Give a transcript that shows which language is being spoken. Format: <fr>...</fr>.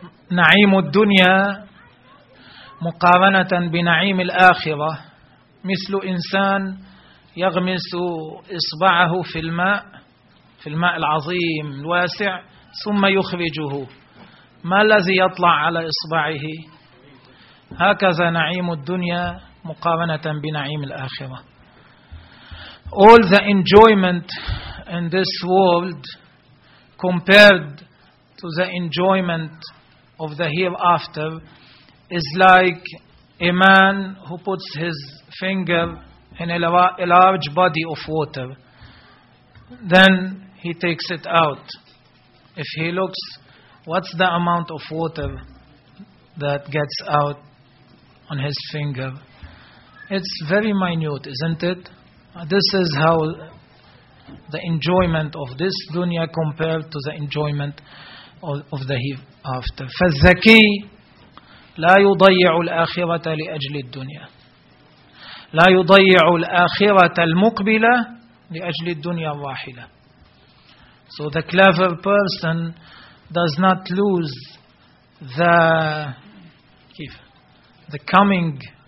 <ar>نعيم الدنيا مقارنة بنعيم الآخرة مثل إنسان يغمس إصبعه في الماء, في الماء العظيم الواسع, ثم يخرجه, ما الذي يطلع على إصبعه؟ هكذا نعيم الدنيا مقارنة بنعيم الآخرة.</ar> <en>All the enjoyment in this world compared to the enjoyment of the hereafter is like a man who puts his finger in a large body of water, then he takes it out. If he looks, what's the amount of water that gets out on his finger? It's very minute, isn't it? This is how the enjoyment of this dunya compared to the enjoyment of the hereafter.</en> <ar>فالذكي لا يضيع الآخرة لأجل الدنيا, لا يضيع الآخرة المقبلة لأجل الدنيا الراحلة.</ar> <en>So the clever person does not lose the coming</en>